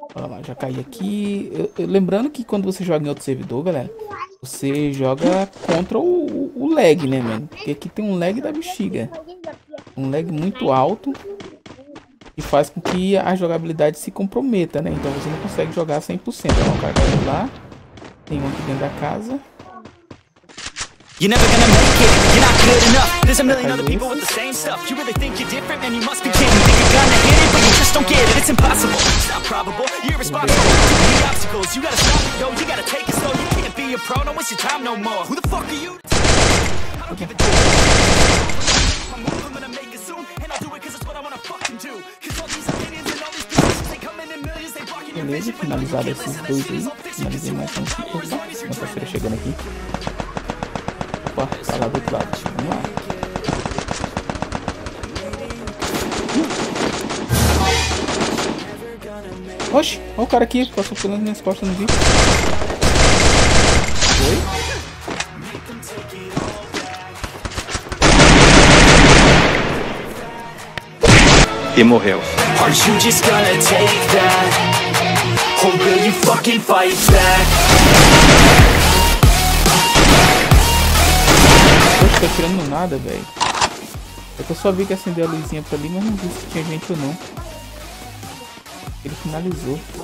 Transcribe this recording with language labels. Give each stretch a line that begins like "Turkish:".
Portuguese: Olha lá, já caí aqui. Lembrando que quando você joga em outro servidor, galera, você joga contra o lag, né, mano? Porque aqui tem um lag da bexiga. Um lag muito alto. E faz com que a jogabilidade se comprometa, né? Então você não consegue jogar 100%. Tem um cara caindo lá. Tem um aqui dentro da casa.
English: You're never gonna make it, you're not good enough. There's a million other people with the same stuff. You really think you're different, man, you must be kidding. You think you're gonna hit it, but you just don't get it. It's impossible, it's not probable, you're irresponsible. Too many obstacles, you gotta stop it, yo. You gotta take it slow, you can't be a pro. No, it's your time no more. Who the fuck are you? I don't give a damn. I'm moving, gonna make it soon. And I'll do it cause it's what I wanna fucking do. Cause all these opinions and all these beliefs, they come in millions, they block in your vision.
Portuguese: Finalizado esses dois aí. Finalizei mais um tipo. Uma terceira chegando aqui. Opa, lá do outro lado. Vamos lá. Oxi, olha o cara aqui. Passou pulando minhas costas, não vi. Foi. E morreu.
English: Are you just gonna take that? Or will you fucking fight back?
Portuguese: Tô tirando nada, velho. Eu só vi que acendeu a luzinha pra ali, mas não vi se tinha gente ou não. Ele finalizou.